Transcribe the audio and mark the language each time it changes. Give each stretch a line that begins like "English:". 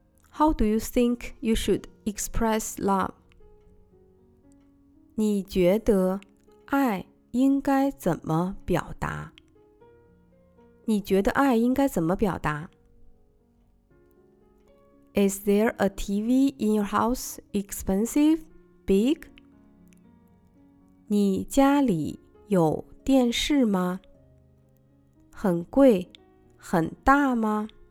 English: How do you think you should express love?
Chinese: 你觉得爱应该怎么表达？你觉得爱应该怎么表达？
English: Is there a TV in your house expensive, big?
Chinese: 你家里有电视吗？很贵，很大吗？